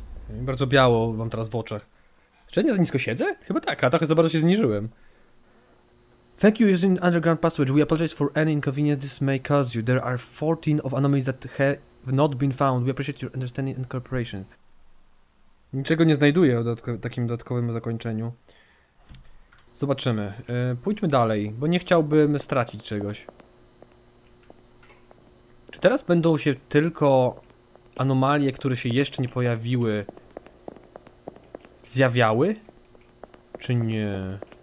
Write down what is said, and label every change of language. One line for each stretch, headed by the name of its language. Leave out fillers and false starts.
Polish: Bardzo biało mam teraz w oczach. Czy ja nie za nisko siedzę? Chyba tak, a trochę za bardzo się zniżyłem.
English: Thank you using underground passage. We apologize for any inconvenience this may cause you. There are 14 of anomalies that have not been found. We appreciate your understanding and cooperation.
Polish: Niczego nie znajduję w takim dodatkowym zakończeniu. Zobaczymy. Pójdźmy dalej, bo nie chciałbym stracić czegoś. Czy teraz będą się tylko anomalie, które się jeszcze nie pojawiły, zjawiały? Czy nie?